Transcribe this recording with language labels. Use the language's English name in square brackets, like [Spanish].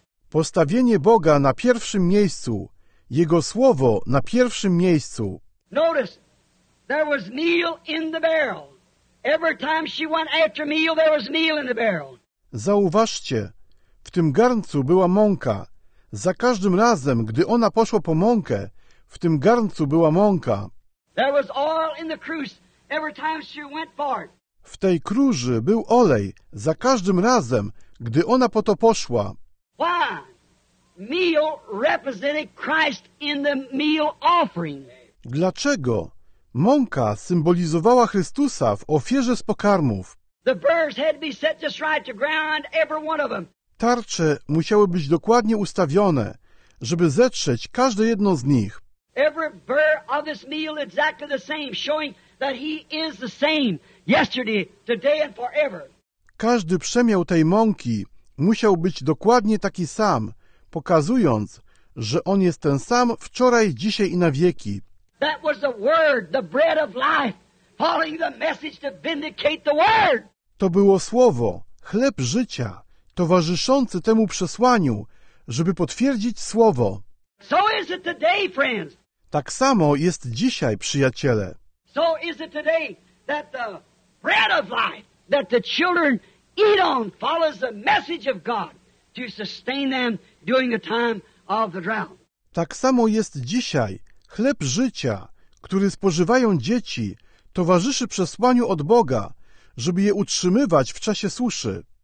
[Polish] Postawienie Boga na pierwszym miejscu, Jego Słowo na pierwszym miejscu. [English] Notice, there was meal in the barrel. Every time she went after meal, there was meal in the barrel. [Polish] Zauważcie, w tym garncu była mąka. Za każdym razem, gdy ona poszła po mąkę, w tym garncu była mąka. [English] There was oil in the cruse every time she went for it. [Polish] W tej kruży był olej za każdym razem, gdy ona po to poszła. [English] Why? Meal represented Christ in the meal offering. [Polish] Dlaczego? Mąka symbolizowała Chrystusa w ofierze z pokarmów. [English] The burrs had to be set just right to grind every one of them. [Polish] Tarcze musiały być dokładnie ustawione, żeby zetrzeć każde jedno z nich. [English] Every burr of this meal exactly the same, showing that he is the same yesterday, today and forever. [Polish] Każdy przemiał tej mąki musiał być dokładnie taki sam, pokazując, że on jest ten sam wczoraj, dzisiaj i na wieki. [English] That was the word, the bread of life. Following the message to vindicate the word. [Polish] To było słowo, chleb życia, towarzyszący temu przesłaniu, żeby potwierdzić słowo. [English] So is it today, friends. [Polish] Tak samo jest dzisiaj, przyjaciele. [English] So is it today that the bread of life that the children eat on follows the message of God to sustain them during the time of the drought. [Polish] Tak samo jest dzisiaj, Chleb życia, który spożywają dzieci, towarzyszy przesłaniu od Boga, żeby je utrzymywać w czasie suszy.